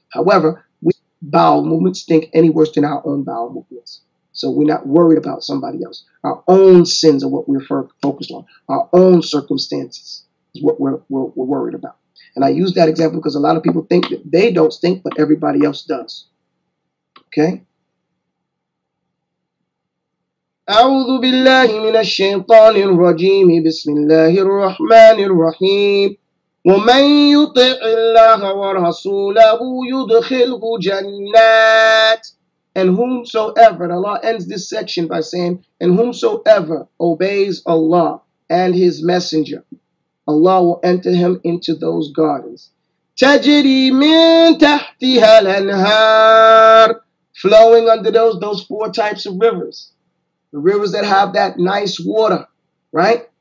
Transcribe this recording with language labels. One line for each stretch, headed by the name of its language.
English: However, we bowel movements think any worse than our own bowel movements. So we're not worried about somebody else. Our own sins are what we're focused on. Our own circumstances is what we're worried about. And I use that example because a lot of people think that they don't stink, but everybody else does. Okay?
Arabic: أعوذ بالله من الشيطان الرجيم بسم الله الرحمن الرحيم ومن يطع الله ورسوله يدخله جنات.
English: And whomsoever, and Allah ends this section by saying, and whomsoever obeys Allah and His Messenger, Allah will enter him into those gardens.
Arabic: تجري من تحتها الأنهار.
English: Flowing under those four types of rivers. The rivers that have that nice water, right?